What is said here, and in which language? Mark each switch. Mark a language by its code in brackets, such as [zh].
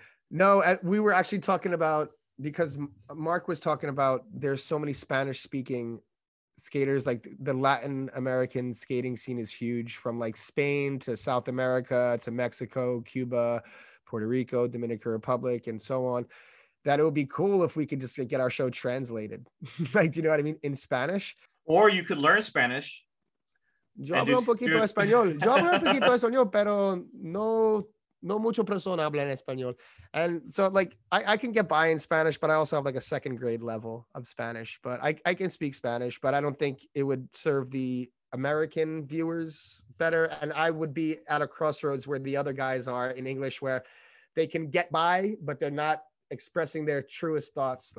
[en] No, we were actually talking about, because Mark was talking about, there's so many Spanish speaking skaters, like the Latin American skating scene is huge, from like Spain to South America to Mexico, Cuba, Puerto Rico, Dominican Republic, and so on, that it would be cool if we could just get our show translated. Like, do you know what I mean? In Spanish. Or you could learn Spanish. [es] Yo hablo un poquito español. Yo hablo un poquito español, pero no mucho persona habla en español. [en] And so, like, I can get by in Spanish, but I also have like a second grade level of Spanish. But I can speak Spanish, but I don't think it would serve the American viewers better. And I would be at a crossroads where the other guys are in English, where they can get by, but they're not expressing their truest thoughts.